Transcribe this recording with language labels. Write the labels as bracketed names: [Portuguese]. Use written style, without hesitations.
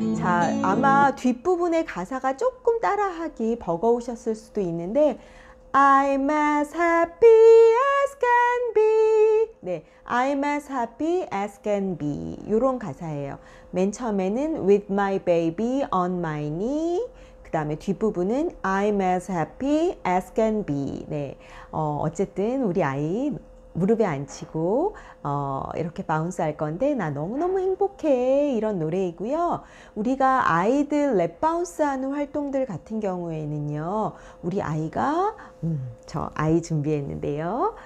[Korean] 자, 아마 뒷부분의 가사가 조금 따라하기 버거우셨을 수도 있는데, [English] I'm as happy as can be. [Korean] 네, [English] I'm as happy as can be. [Korean] 요런 가사예요. 맨 처음에는 [English] with my baby on my knee. [Korean] 그 다음에 뒷부분은 [English] I'm as happy as can be. [Korean] 네, 어쨌든 우리 아이 무릎에 앉히고 이렇게 바운스 할 건데 나 너무너무 행복해 이런 노래이고요. 우리가 아이들 랩 바운스 하는 활동들 같은 경우에는요. 우리 아이가 저 아이 준비했는데요.